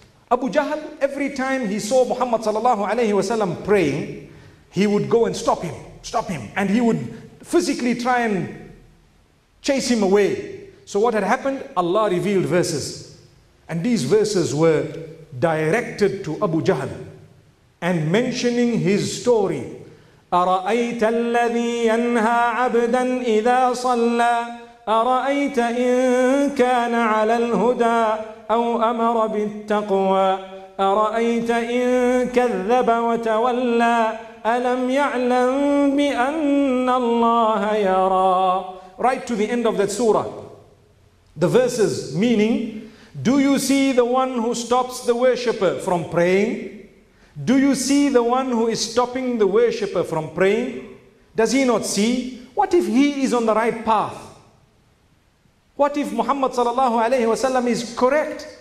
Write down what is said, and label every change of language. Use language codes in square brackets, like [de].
[en] Abu Jahl, every time he saw Muhammad sallallahu alayhi wa sallam praying, he would go and stop him. And he would physically try and chase him away. So what had happened? Allah revealed verses. And these verses were directed to Abu Jahl and mentioning his story. [ar] أرأيت الذي ينهى عبدا إذا صلى أرأيت إن كان على الهدى أو أمر بالتقوى أرأيت إن كذب وتولى ألم يعلم بأن الله يرى. [en] Right to the end of that surah. The verses meaning, do you see the one who stops the worshipper from praying? Do you see the one who is stopping the worshipper from praying? Does he not see? What if he is on the right path? What if Muhammad sallallahu alayhi wa sallam is correct?